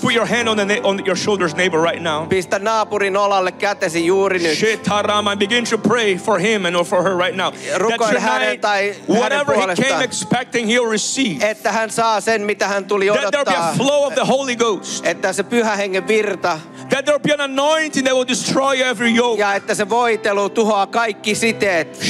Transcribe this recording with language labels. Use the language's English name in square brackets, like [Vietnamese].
[English] put your hand on your shoulder's neighbor right now. [Finnish] Pistä naapurin olalle kätesi juuri nyt. [English] Shetarama, begin to pray for him and for her right now. [Finnish] Rukoil hänen tai [English] whatever he came expecting, he'll receive. [Finnish] Että hän saa sen, mitä hän tuli odottaa. [English] That there'll be a flow of the Holy Ghost. [Finnish] Että se Pyhä Hengen virta. [English] That there'll be an anointing that will destroy every yoke. [Finnish] Ja että se voitelu tuhoaa kaikki siten.